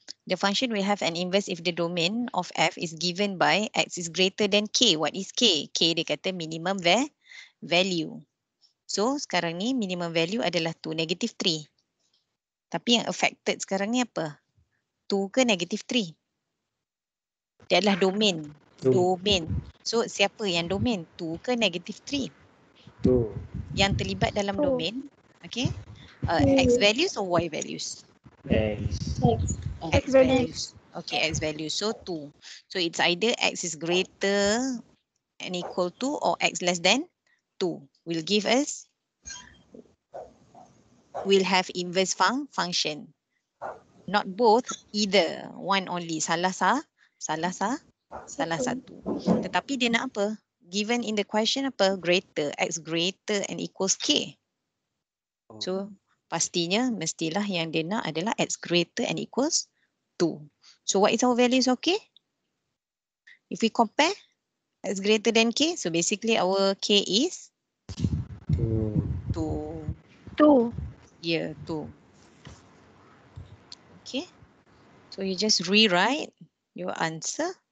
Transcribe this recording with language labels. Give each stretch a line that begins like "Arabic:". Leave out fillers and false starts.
English: The function will have an inverse if the domain of f is given by x is greater than k. What is k? K
Malay: dia kata
English: minimum value.
Malay: So sekarang ni
English: minimum value
Malay: adalah 2, negative 3. Tapi yang affected sekarang ni apa? 2 ke negative 3? Dia adalah domain. Domain. So siapa yang domain? 2 ke negative 3?
English: 2.
Malay: Yang terlibat dalam domain.
English: Okay. X values or Y values? X. X values. Okay, X values. So 2. So it's either X is greater and equal to or X less than 2. Will give us, will have inverse function. Not both, either. One only.
Malay: Salah satu. Tetapi dia nak apa?
English: Given in the question apa? Greater. X greater and equals K.
Malay: So, pastinya mestilah yang dia nak adalah
English: X greater and equals 2. So, what is our values of K? If we compare X greater than K, so basically our K is? 2. 2. Yeah, 2. Okay. So, you just rewrite your answer.